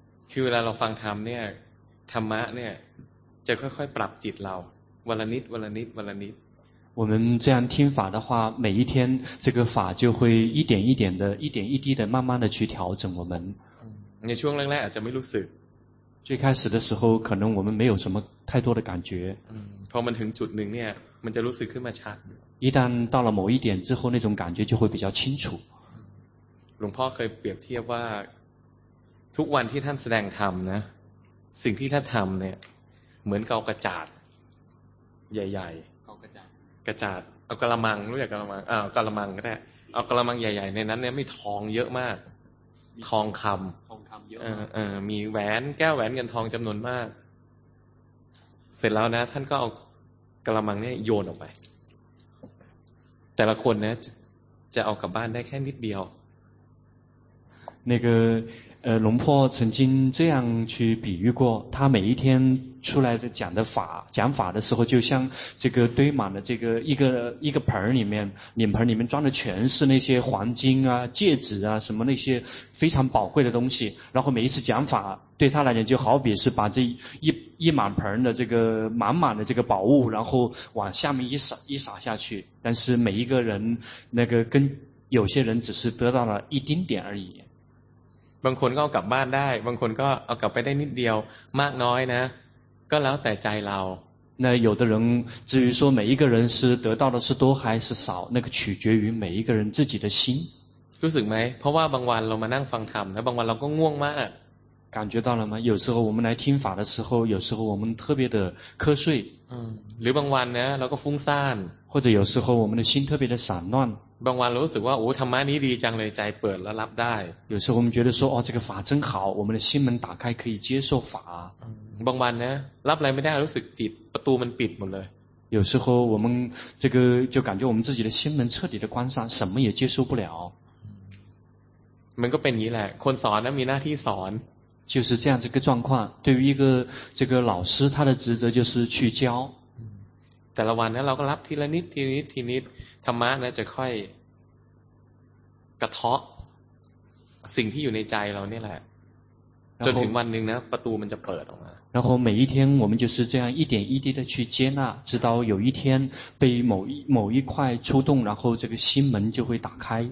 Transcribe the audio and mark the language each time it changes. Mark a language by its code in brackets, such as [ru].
[th] คือเวลาเราฟังธรรมเนี่ยธรรมะเนี่ยจะค่อยๆปรับจิตเราวันละนิดวันละนิดวันละนิด [zh] 我们这样听法的话，每一天这个法就会一点一点的、一点一滴的、慢慢的去调整我们。 [th] 嗯，你ช่วงแรกๆอาจจะไม่รู้สึก。 [zh] 最开始的时候，可能我们没有什么太多的感觉。 [th] 嗯，พอมันถึงจุดหนึ่งเนี่ย，มันจะรู้สึกขึ้นมาชัด。 [zh] 一旦到了某一点之后，那种感觉就会比较清楚。 [th] หลวงพ่อเคยเปรียบเทียบว่าทุกวันที่ท่านแสดงธรรมนะ，สิ่งที่ท่านทำเนี่ย，เหมือนกับกระจาดใหญ่ๆกระจาดเอากะละมังรู้จักกะละมังกะละมังก็ได้เอากะละมังใหญ่ๆในนั้นเนี่ยมีทองเยอะมากทองคำ ทองคำเยอะ มีแหวนแก้วแหวนเงินทองจำนวนมากเสร็จแล้วนะท่านก็เอากะละมังเนี่ยโยนออกไปแต่ละคนนะจะเอากลับบ้านได้แค่นิดเดียว [zh] 那个龙婆曾经这样去比喻过，他每一天出来的讲法的时候，就像这个堆满了这个一个脸盆里面装的全是那些黄金啊、戒指啊什么那些非常宝贵的东西。然后每一次讲法对他来讲，就好比是把这一满盆的这个满满的这个宝物，然后往下面一撒下去。但是每一个人那个跟有些人只是得到了一丁点而已。 [th] บางคนก็เอากลับบ้านได้บางคนก็เอากลับไปได้นิดเดียวมากน้อยนะก็แล้วแต่ใจเรา [zh] 那有的人至于说每一个人是得到的是多还是少那个取决于每一个人自己的心 [th] รู้สึกไหมเพราะว่าบางวันเรามานั่งฟังธรรมแล้วบางวันเราก็ง่วงมาก [zh] 感觉到了吗有时候我们来听法的时候有时候我们特别的瞌睡 [th] หรือบางวันนะเราก็ฟุ้งซ่าน [zh] 或者有时候我们的心特别的散乱 [th] บางวันรู้สึกว่าโอ้ธรรมะนี้ดีจังเลยใจเปิดแล้วรับได้ [zh] 有时候我们觉得说哦这个法真好我们的心门打开可以接受法 [th] บางวันนะรับอะไรไม่ได้รู้สึกจิตประตูมันปิดหมดเลย [zh] 有时候我们这个就感觉我们自己的心门彻底的关上什么也接受不了 [th] มันก็เป็นอย่างนี้แหละคนสอนนะมีหน้าที่สอน [zh] 就是这样这个状况对于一个这个老师他的职责就是去教 [th] แต่ละวันนะเราก็รับทีละนิดทีนิดทีนิดธรรมะนะจะค่อยกระเทาะสิ่งที่อยู่ในใจเราเนี่ยแหละจนถึงวันนึงนะประตูมันจะเปิดออกมา [zh] 然后每一天我们就是这样一点一滴的去接纳直到有一天被某一块触动然后这个心门就会打开